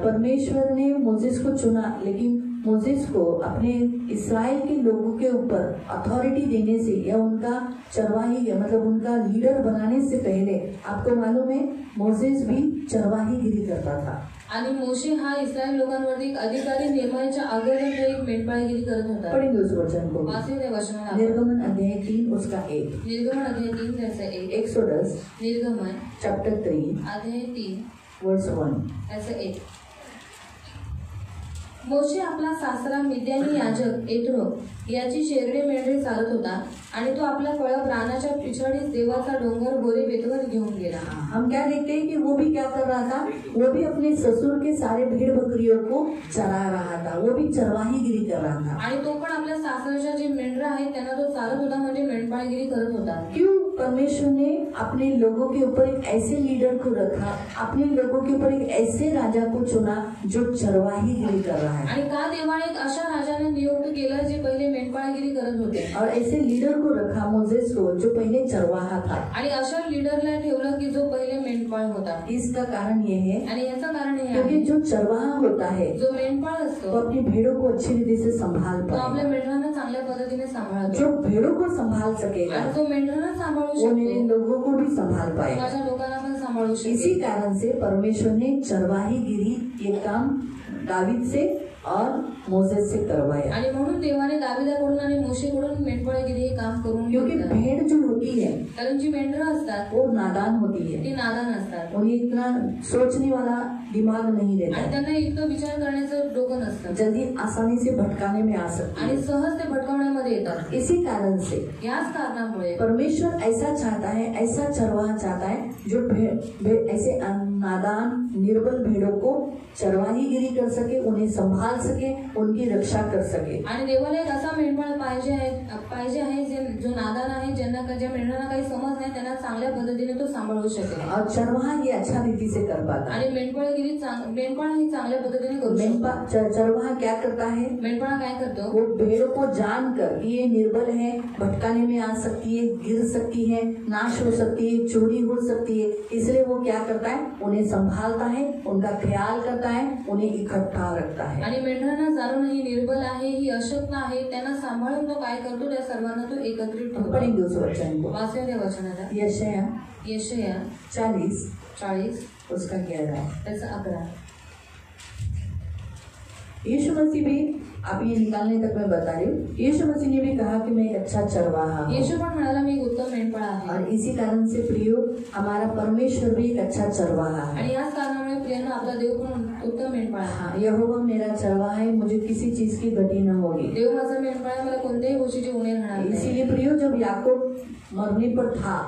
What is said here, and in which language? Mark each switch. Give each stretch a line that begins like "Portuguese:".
Hindi: परमेश्वर ने मोसेस को चुना, लेकिन मोसेस को अपने इसराइल के लोगों के ऊपर अथॉरिटी देने से या उनका चरवाही या मतलब उनका लीडर बनाने से पहले आपको मालूम है मोसेस भी चरवाही गिरी करता था।
Marathi: आणि मोशे हा इस्राएल लोकांवरती अधिकारी नेमण्याच्या अगोदर एक मेंढपाळगिरी करत होता। पण दुसरे वचन को पाचवे वचन
Hindi: निर्गमन अध्याय 3 उसका 1 निर्गमन अध्याय 3 जैसे 1
English: exodus
Marathi: निर्गमन
English: chapter 3
Marathi: अध्याय 3
English: verse 1
Marathi: जैसे 1 मोशे आपला सासरा मिद्यानी याजक एत्रो याची शेरडे मेंढरे चालत होता आणि तो आपला कळप रानाच्या पिछाडीस देवाचा डोंगर बोरी बेतवर घेऊन गेला।
Hindi: हम क्या देखते हैं कि वो भी क्या कर रहा था, वो भी अपने ससुर के सारे भेड़ बकरियों को चरा रहा था, वो भी चरवाही गिरी कर रहा था।
Marathi: आणि तो पण आपल्या सासऱ्याच्या जे मेंढर आहे त्यांना तो चालत होता म्हणजे मेंढपाळगिरी करत होता।
Hindi: क्यों परमेश्वर ने अपने लोगों के ऊपर एक ऐसे लीडर को रखा, अपने लोगों के ऊपर एक ऐसे राजा को चुना जो चरवाही गिरी कर रहा है।
Marathi: आणि का देवाने एक अशा राजाने नियुक्त केलं जे पहिले मेंढपाळगिरी करत होते
Hindi: और ऐसे लीडर को रखा मोसेस को जो पहले चरवाहा था।
Marathi: आणि अशा लीडरला ठेवलं की जो पहिले मेंढपाळ होता।
Hindi: इसका कारण ये है,
Marathi: आणि याचं कारण हे आहे की
Hindi: जो चरवाहा होता है
Marathi: जो मेंढपाळ असतो
Hindi: तो अपनी भेड़ों को अच्छी रीति से संभाल पाता,
Marathi: तो आपल्या मेंढरांना चांगल्या पद्धतीने सांभाळतो,
Hindi: जो भेड़ों को संभाल सकेगा
Marathi: तो मेंढरांना सांभाळू शकतो,
Hindi: मेरे लोगों को भी संभाल पाएगा,
Marathi: माझ्या लोकांना पण सांभाळू शकतो।
Hindi: इसी कारण से परमेश्वर ने चरवाही गिरी ये काम दावीद से और मोसेस से करवाया।
Marathi: आणि म्हणून देवाने दाविदाकडून आणि मोशेकडून मेंढपाळगिरी हे काम करून,
Hindi: क्योंकि भेड़ जो होती है
Marathi: कारण जी मेंढर असतात
Hindi: वो नादान होती है,
Marathi: ती नादान असतात,
Hindi: उन्हें इतना सोचने वाला दिमाग नहीं रहता,
Marathi: आणि त्यांना इतकं विचार करण्याचं डोकं नसतं,
Hindi: जल्दी आसानी से भटकाने में आ सकते
Marathi: आणि सहज ते भटकवण्यामध्ये येतात।
Hindi: इसी कारण से
Marathi: याच कारणामुळे
Hindi: परमेश्वर ऐसा चाहता है, ऐसा चरवाहा चाहता है जो ऐसे नादान निर्बल भेड़ों को चरवाही गिरी कर सके, उन्हें संभाल सके, उनकी रक्षा कर सके।
Marathi: आणि देवाला एक असा मेंढपाळ पाहिजे आहे जो नादान आहे ज्यांना ज्या मेंढरांना काही समज नाही त्यांना चांगल्या पद्धतीने तो सांभाळू शकेल,
Hindi: और चरवाहा ही अच्छा रीति से कर पाता,
Marathi: आणि मेंढपाळगिरी मेंढपाळ ही चांगल्या पद्धतीने करू शकतो।
Hindi: चरवाहा क्या करता है,
Marathi: मेंढपाळ काय करतो,
Hindi: वो भेड़ को जानकर कि ये निर्बल है, भटकाने में आ सकती है, गिर सकती है, नाश हो सकती है, चोरी हो सकती है, इसलिए वो क्या करता है, उन्हें संभालता है, उनका ख्याल करता है, उन्हें इकट्ठा रखता है।
Marathi: आणि मेंढरांना जाणून ही निर्बल आहे ही अशक्त आहे त्यांना सांभाळून तो काय करतो, त्या सर्वांना तो एकत्रित ठेवतो। पण एक दुसरं वचन वाचन वचनाला यशया यशया
Hindi: 40 उसका 11
Marathi: त्याचा 11
Hindi: यीशु मसीह भी, आप ये निकालने तक मैं बता रही हूँ, यीशु मसीह ने भी कहा कि मैं एक अच्छा चरवाहा हूँ।
Marathi: यीशु पण म्हणाला मी एक उत्तम मेंढपाळ आहे,
Hindi: और इसी कारण से प्रियो हमारा परमेश्वर भी एक अच्छा चरवाहा है,
Marathi: आणि याच कारणामुळे प्रियांनो आपला देव पण उत्तम मेंढपाळ आहे।
Hindi: यहोवा मेरा चरवाहा है, मुझे किसी चीज की घटी न होगी,
Marathi: देव माझा मेंढपाळ आहे मला कोणत्याही गोष्टीची उणे राहणार नाही।
Hindi: इसीलिए प्रियो जब याकूब मरने पर था,